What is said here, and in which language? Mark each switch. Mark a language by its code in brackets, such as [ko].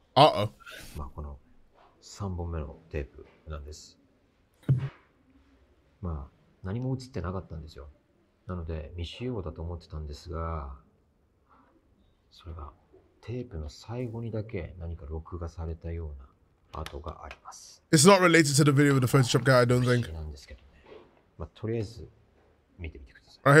[ja] この3本目のテープなんです。まあ、何も映ってなかったんですよ。なので、未使用だと思ってたんですが、それがテープの最後にだけ何か録画されたような跡があります。 [en] It's not related to the video with the Photoshop guy, I don't think. [ja] 不思議なんですけどね。まあ、とりあえず見てみてください。